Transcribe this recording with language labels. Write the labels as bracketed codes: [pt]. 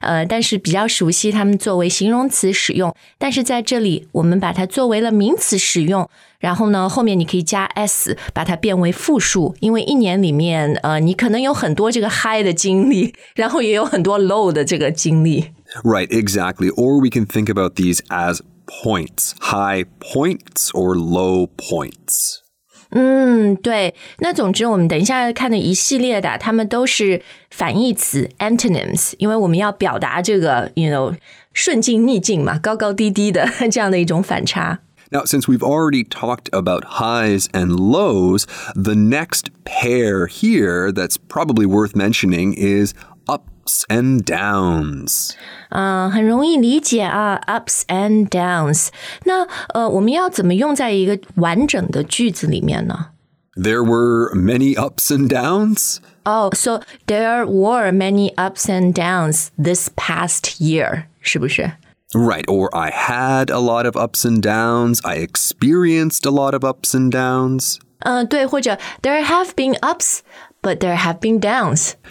[zh] 但是比较熟悉它们作为形容词使用。但是在这里我们把它作为了名词使用。然后呢后面你可以加 s, 把它变为复数。因为一年里面你可能有很多这个 high 的经历，然后也有很多 low 的这个经历。 [en] Right, exactly. Or we can think about these as points. High points or low points. [zh] 对，那总之我们等一下看的一系列的他们都是反义词 antonyms, 因为我们要表达这个 [en] you know, [zh] 顺境逆境嘛，高高低低的这样的一种反差。 [en] Now, since we've already talked about highs and lows, the next pair here that's probably worth mentioning is ups and downs. [zh] 很容易理解啊 ,ups and downs. 那我们要怎么用在一个完整的句子里面呢？ [en] There were many ups and downs. Oh, so there were many ups and downs this past year, [zh] 是不是？ [en] Right, or I had a lot of ups and downs, I experienced a lot of ups and downs. [zh] 对，或者 [en] there have been ups, but there have been downs.